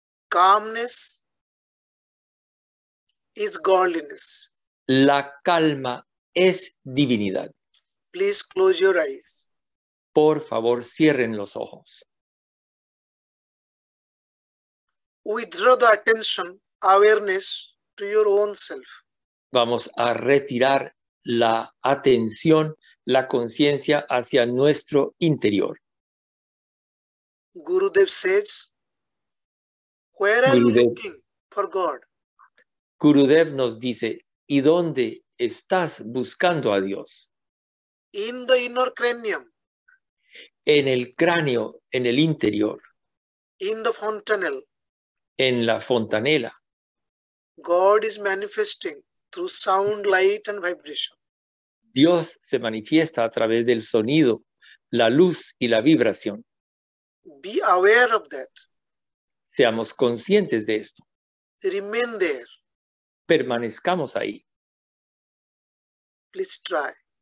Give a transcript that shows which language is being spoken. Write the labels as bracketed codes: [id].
[en] calmness is godliness. [es] La calma es divinidad. [en] Please close your eyes. [es] Por favor, cierren los ojos. [en] Withdraw the attention, awareness to your own self. [es] Vamos a retirar la atención, la conciencia hacia nuestro interior. [en] Gurudev says, where are Gurudev, you looking for God? [es] Gurudev nos dice, ¿y dónde estás buscando a Dios? [en] In the inner cranium. [es] En el cráneo, en el interior. [en] In the fontanel. [es] En la fontanela. [en] God is manifesting through sound, light and vibration. [es] Dios se manifiesta a través del sonido, la luz y la vibración. [en] Be aware of that. [es] Seamos conscientes de esto. [en] Remain there. [es] Permanezcamos ahí. [en] Please try.